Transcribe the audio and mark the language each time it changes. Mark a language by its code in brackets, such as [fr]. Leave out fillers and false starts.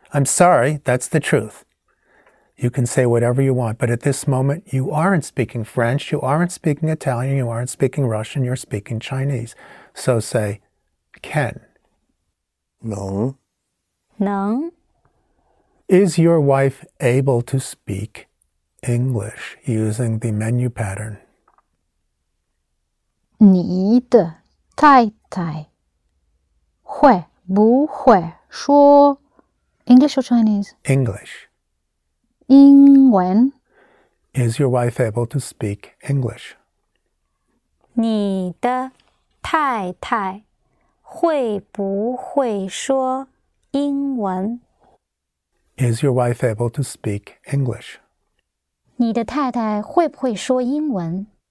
[en] I'm sorry, that's the truth. You can say whatever you want, but at this moment, you aren't speaking French, you aren't speaking Italian, you aren't speaking Russian, you're speaking Chinese. So say, can. [zh] 能. 能. [en] Is your wife able to speak English using the menu pattern? [zh] 你的太太会不会说 [en] English or Chinese? English. [zh] 英文. [en] Is your wife able to speak English? [zh] 你的太太会不会说英文? [en] Is your wife able to speak English? [zh] 你的太太会不会说英文?